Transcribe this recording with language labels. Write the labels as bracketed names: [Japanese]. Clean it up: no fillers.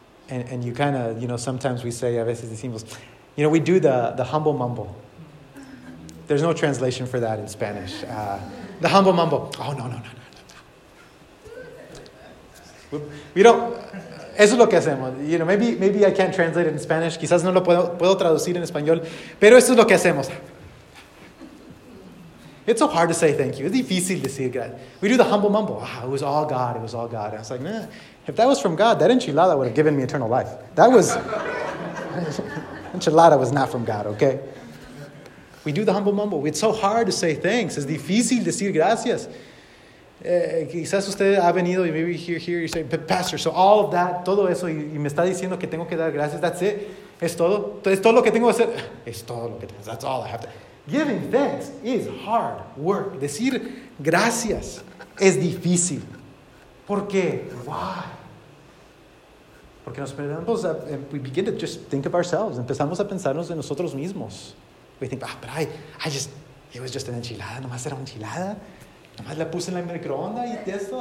[English] And you kind of, you know, sometimes we say, [Spanish] a veces decimos, [English] you know, we do the humble mumble. There's no translation for that in Spanish. The humble mumble. Oh, no. We don't, [Spanish] eso es lo que hacemos. [English] You know, maybe I can't translate it in Spanish. [Spanish] Quizás no lo puedo traducir en español, pero eso es lo que hacemos. [English] It's so hard to say thank you. [Spanish] Es difícil decir gracias. [English] We do the humble mumble. Ah, it was all God. It was all God. And I was like, nah, if that was from God, that enchilada would have given me eternal life. That was, enchilada was not from God, okay? We do the humble mumble. It's so hard to say thanks. [Spanish] Es difícil decir gracias. Quizás usted ha venido y [English] maybe here you say, but pastor, so all of that, [Spanish] todo eso, y me está diciendo que tengo que dar gracias. [English] That's it. [Spanish] Es todo lo que tengo que hacer. Es todo lo que tengo. [English] That's all I have to. Giving thanks is hard work. [Spanish] Decir gracias es difícil. ¿Por qué? [English] Why? [Spanish] Porque nos perdemos, [English] we begin to just think of ourselves. [Spanish] Empezamos a pensarnos en nosotros mismos. [English] We think, ah, but it was just an enchilada. [Spanish] Nomás era una enchilada. Nomás la puse en la microonda y eso.